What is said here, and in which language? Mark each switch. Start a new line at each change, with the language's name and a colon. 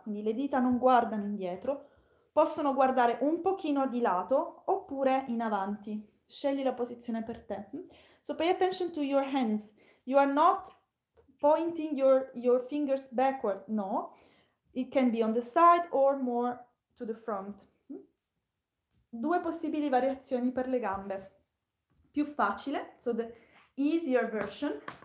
Italian: Quindi le dita non guardano indietro. Possono guardare un pochino di lato oppure in avanti. Scegli la posizione per te.
English: So pay attention to your hands. You are not pointing your fingers backward. No, it can be on the side or more to the front.
Italian: Due possibili variazioni per le gambe. Più facile,
English: so the easier version.